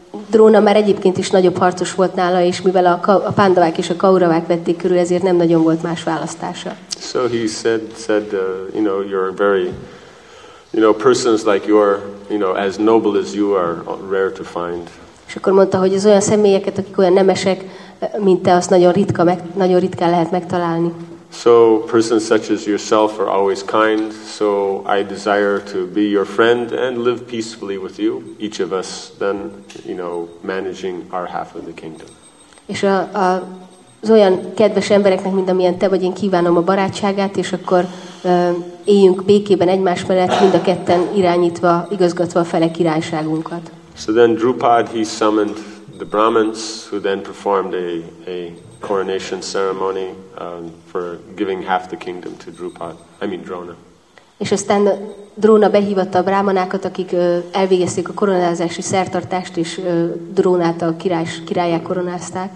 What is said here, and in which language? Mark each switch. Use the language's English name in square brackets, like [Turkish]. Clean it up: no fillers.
[Hungarian] Drona már egyébként is nagyobb harcos volt nála, és mivel a Pandavák és a Kauravák vették körül, ezért nem nagyon volt más választása. [English] So he said, you know, you're very... You know, persons like you know, as noble as you are rare to find. [Hungarian] És akkor mondta, hogy az olyan személyeket, akik olyan nemesek, mint te, azt nagyon ritkán lehet megtalálni. [English] So persons such as yourself are always kind, so I desire to be your friend and live peacefully with you, each of us then, you know, managing our half of the kingdom. [Hungarian] És az olyan kedves embereknek, mint amilyen te vagy, én kívánom a barátságát, és akkor éljünk békében egymás mellett, mind a ketten irányítva, igazgatva a fele királyságunkat. [English] So then Drupad, he summoned the Brahmins, who then performed a coronation ceremony for giving half the kingdom to Drupad, I mean Drona. [Hungarian] És aztán Drona behívatta a brámanákat, akik elvégezték a koronázási szertartást, és Drónát a királyá koronázták.